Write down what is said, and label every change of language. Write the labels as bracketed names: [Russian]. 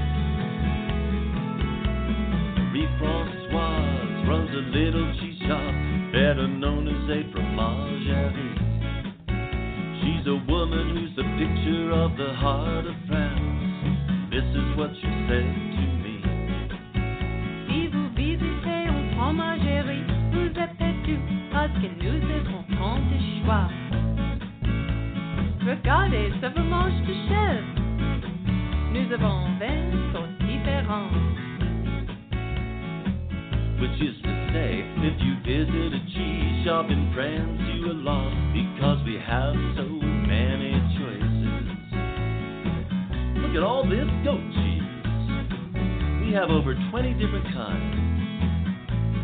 [English] Marie Francoise runs a little cheese shop, better known as a fromagerie. She's a woman who's the picture of the heart of France. This is what she said to me. [French] Si vous visitez en fromagerie, vous êtes perdu parce que nous avons tant de choix. Regardez ce fromage de chef. Nous avons 20 sortes différentes. [English] Which is to say, if you visit a cheese shop in France, you are lost, because we have so many choices. Look at all this goat cheese. We have over 20 different kinds.